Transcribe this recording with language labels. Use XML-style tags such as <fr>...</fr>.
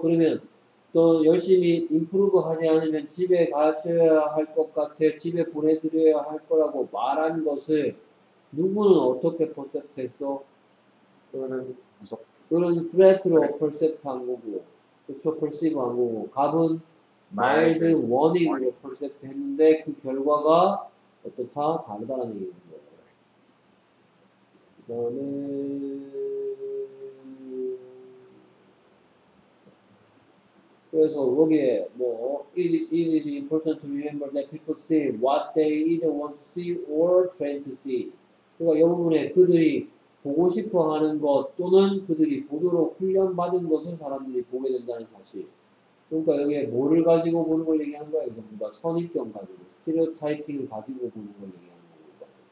<ko>그러면 또 열심히 임프루브 하지 않으면 집에 가셔야 할 것 같아 집에 보내드려야 할 거라고 말한 것을 누구는 어떻게 퍼셉트 했어? 그거는 무섭게 그런 threat로 퍼셉트 한 거고 그렇죠? 퍼시브 한 거고 갑은 mild warning으로 퍼셉트 했는데 그 결과가 어떻다? 다르다는 얘기인 거예요. 그 다음에, 그래서 여기에 뭐,</ko> <en>it is important to remember that people see what they either want to see or train to see.</en> <ko>그러니까 이 부분에 그들이 보고 싶어 하는 것 또는 그들이 보도록 훈련받은 것을 사람들이 보게 된다는 사실. 그러니까 여기에 뭐를 가지고 보는 걸 얘기한 거야? 이거 뭔가 선입견 가지고, 스테레오타이핑 가지고 보는 걸 얘기하는 거니까.</ko>